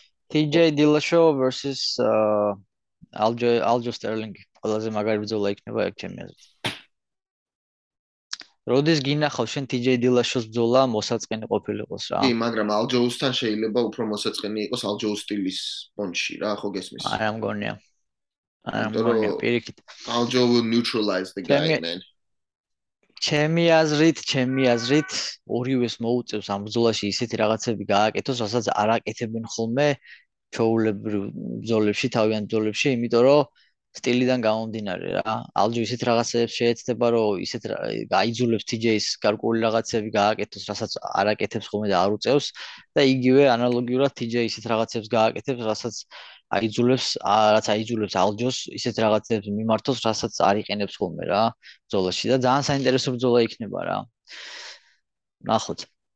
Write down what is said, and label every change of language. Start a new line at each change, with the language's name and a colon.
English: TJ Dillashaw versus Aljo Sterling.
Georgian: ყველაზე მაგარი ბრძოლა იქნება ეგ ჩემი აზრით. როდის გინახავ შენ TJ Dillashaw-ს ბრძოლა მოსაწყენი ყოფილიყოს რა? კი, მაგრამ Aljo-სთან შეიძლება უფრო მოსაწყენი იყოს Aljo სტილის ბონში რა, ხო გესმის? არა, მგონია. არა, მგონია, პირიქით.
English: Aljo will neutralize the guy, man.
Georgian: ჩემი აზრით ორივეს მოუწევს ამ ბრძოლაში ისეთი რაღაცები გააკეთოს, რასაც არ აკეთებენ ხოლმე ჩოულებრივ ბრძოლებში, თავიან ბრძოლებში, იმიტომ რომ სტილიდან გამომდინარე რა. Aljo ისეთ რაღაცებს შეეცდება, რომ ისეთ გაიძულებს TJ-ს გარკვეული რაღაცები გააკეთოს, რასაც არ აკეთებს ხოლმე და არ უწევს, და იგივე ანალოგიურად TJ ისეთ რაღაცებს გააკეთებს, რასაც აიძულებს, რაც აიძულებს Aljo-ს ისეთ რაღაცებს მიმართოს, რასაც არ იყენებს ხოლმე რა ბრძოლაში, და ძალიან საინტერესო ბრძოლა იქნება რა. ნახოთ.